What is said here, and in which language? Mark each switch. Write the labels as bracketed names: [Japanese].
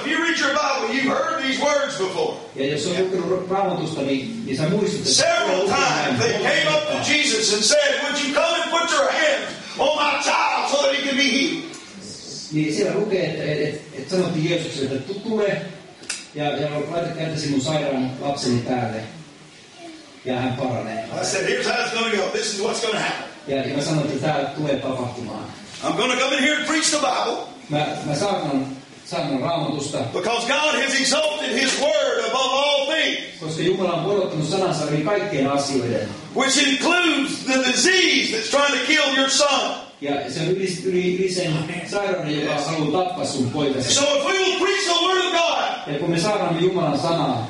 [English] If you read your Bible, you've heard these words before. Several times they came up to Jesus and said, "Would you come and put your hands on my child so that he can be healed?" [Finnish] Niin siellä lukee, että sanottiin Jeesukselle, että tu tule ja laita kätesi mun sairaan lapseni päälle ja hän paranee. [English] I said, here's how it's going to go. This is what's going to happen. [Finnish] Ja mä sanoin, että tää tulee tapahtumaan. [English] I'm going to come in here and preach the Bible. [Finnish] Mä saatan Raamatusta. [English] Because God has exalted his word above all things. [Finnish] Koska Jumala on korottanut sanansa yli kaikkien asioiden. [English] Which includes the disease that's trying to kill your son. [Finnish] Ja se on ylisen sairauden, joka haluaa tappaa sun poikasi. [English] So if we will preach the word of God, [Finnish] ja kun me saadaan Jumalan sanaa,